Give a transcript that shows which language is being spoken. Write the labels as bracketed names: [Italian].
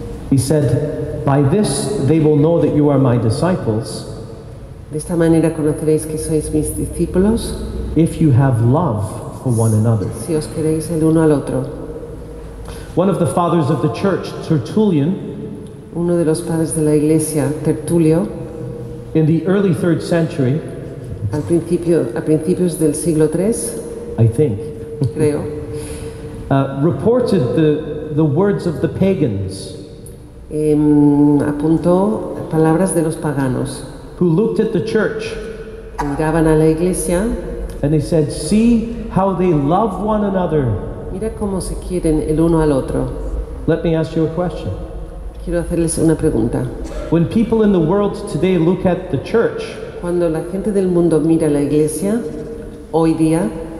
[English] He said, by this they will know that you are my disciples. [Spanish] De esta manera conoceréis que sois mis discípulos. [English] If you have love for one another. [Spanish] Si os queréis el uno al otro. [English] One of the fathers of the church, Tertullian, [Spanish] uno de los padres de la iglesia, Tertulio, [English] in the early 3rd century, [Spanish] a principios del siglo 3, [English] I think, [Spanish] creo, [English] reported the words of the pagans. [Spanish] Apuntó palabras de los paganos. [English] Who looked at the church. [Spanish] Miraban a la iglesia. [English] And they said, see how they love one another. [Spanish] Mira cómo se quieren el uno al otro. [English] Let me ask you a question. [Spanish] Quiero hacerles una pregunta. [English] When people in the world today look at the church. [Spanish] Cuando la gente del mundo mira la iglesia, hoy día.